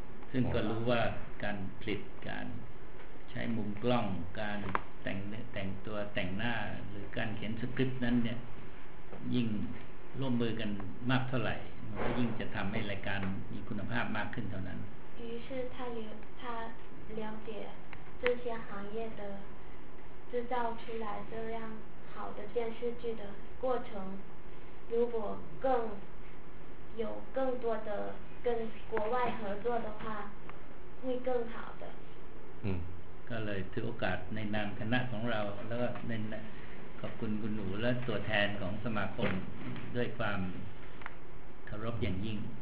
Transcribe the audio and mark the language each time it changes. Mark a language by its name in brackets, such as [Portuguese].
[Thai] ซึ่งก็รู้ว่าการผลิตการใช้มุมกล้องการแต่งตัวแต่งหน้าหรือการเขียนสคริปต์นั้นเนี่ยยิ่งร่วมมือกันมากเท่าไหร่มันก็ยิ่งจะทำให้รายการมีคุณภาพมากขึ้นเท่านั้น [Chinese] 于是他了解这些行业的制造出来这样好的电视剧的过程如果更有更多的跟国外合作的话会更好的 [Thai] ก็เลยถือโอกาสในนามคณะของเราแล้วก็ในขอบคุณคุณหนูและตัวแทนของสมาคมด้วยความเคารพอย่างยิ่ง